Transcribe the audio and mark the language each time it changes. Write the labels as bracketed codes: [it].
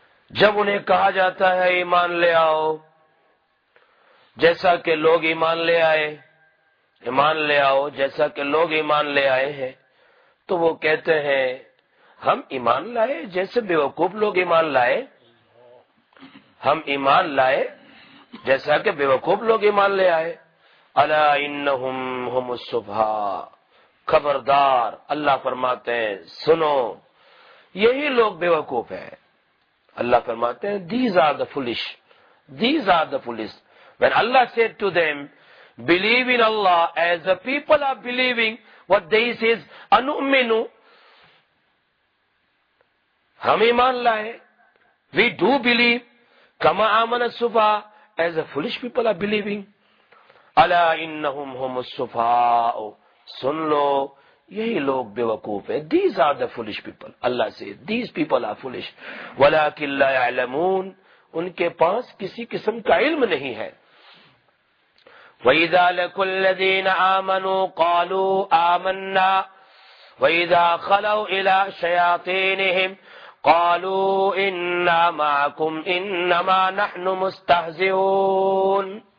[ur] جب انہیں کہا جاتا ہے ایمان لے آؤ جیسا کہ لوگ ایمان لے آئے, ایمان لے آؤ جیسا کہ لوگ ایمان لے آئے ہیں, تو وہ کہتے ہیں ہم ایمان لائے جیسے بیوقوف لوگ ایمان لائے, ہم ایمان لائے جیسا کہ بیوقوف لوگ ایمان لے آئے. [ar] الا انہم ہم السفہاء, [ur] خبردار اللہ فرماتے ہیں سنو یہی لوگ بیوقوف ہیں. اللہ فرماتے ہیں [en] these are the foolish. When Allah said to them believe in Allah as the people are believing, what they say is anu'minu, [ur] ہم ایمان لائے, [en] we do believe, [ar] kama amana sufa, [en] as the foolish people are believing. [ar] الا انہم ہم السفہاء, [ur] سن لو یہی لوگ بے وقوف ہیں. [en] These are the foolish people. Allah says, these people are foolish. [ar] ولیکن لا يعلمون, [ur] ان کے پاس کسی قسم کا علم نہیں ہے. [ar] وَإِذَا لَكُ الَّذِينَ آمَنُوا قَالُوا آمَنَّا وَإِذَا خَلَوْا إِلَىٰ شَيَاطِينِهِمْ قَالُوا إِنَّا مَعَكُمْ إِنَّمَا نَحْنُ مُسْتَهْزِئُونَ.